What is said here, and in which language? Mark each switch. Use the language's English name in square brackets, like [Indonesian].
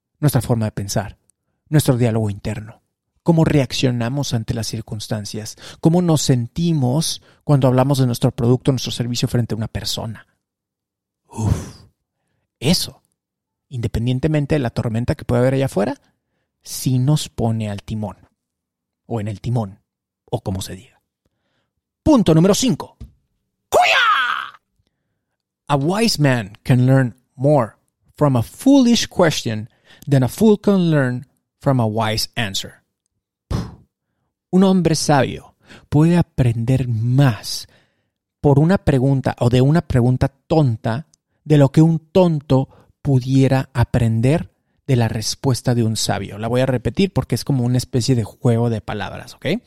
[Spanish] Nuestra forma de pensar, nuestro diálogo interno. Cómo reaccionamos ante las circunstancias, cómo nos sentimos cuando hablamos de nuestro producto, nuestro servicio frente a una persona. Uf, eso, independientemente de la tormenta que pueda haber allá afuera, sí nos pone al timón, o en el timón, o como se diga. Punto número 5. ¡Cuya! [English] A wise man can learn more from a foolish question than a fool can learn from a wise answer. [Spanish] Un hombre sabio puede aprender más por una pregunta o de una pregunta tonta de lo que un tonto pudiera aprender de la respuesta de un sabio. La voy a repetir porque es como una especie de juego de palabras, ¿ok?